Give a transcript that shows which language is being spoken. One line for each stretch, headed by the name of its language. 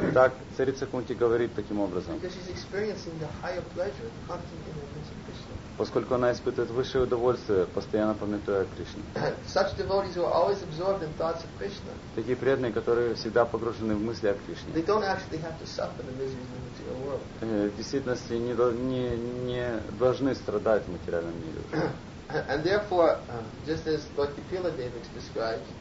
Russian: так царица Кунти говорит таким образом.
English: Because she's experiencing the higher pleasure of hunting in the image of Krishna.
Russian: Поскольку она испытывает высшее удовольствие, постоянно памятуя о Кришне.
English: Such devotees who are always absorbed in thoughts of Krishna.
Russian: Такие преданные, которые всегда погружены в мысли о Кришне.
English: They don't actually have to suffer the miseries in the material world.
Russian: В действительности не должны страдать в материальном мире.
English: And therefore, just as Lord Kapila Devik describes.